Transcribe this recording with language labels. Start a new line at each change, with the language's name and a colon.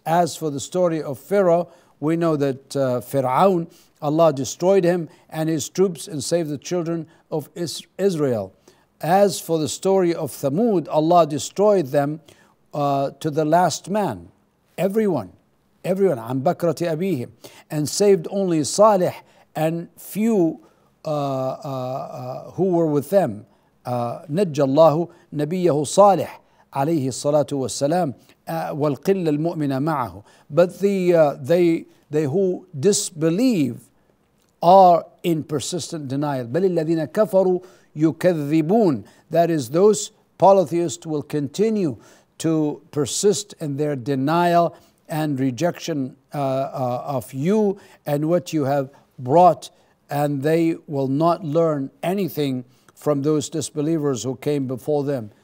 English: As for the story of Pharaoh, we know that Fir'aun, Allah destroyed him and his troops and saved the children of Israel. As for the story of Thamud, Allah destroyed them to the last man, everyone,
Arabic: عن بكرة أبيهم,
English: and saved only Salih and few who were with them.
Arabic: نجى الله نبيه صالح عليه الصلاة والسلام والقلة المؤمنة معه.
English: But they who disbelieve are in persistent denial.
Arabic: بل الذين كفروا يكذبون.
English: That is, those polytheists will continue to persist in their denial and rejection of you and what you have brought, and they will not learn anything from those disbelievers who came before them.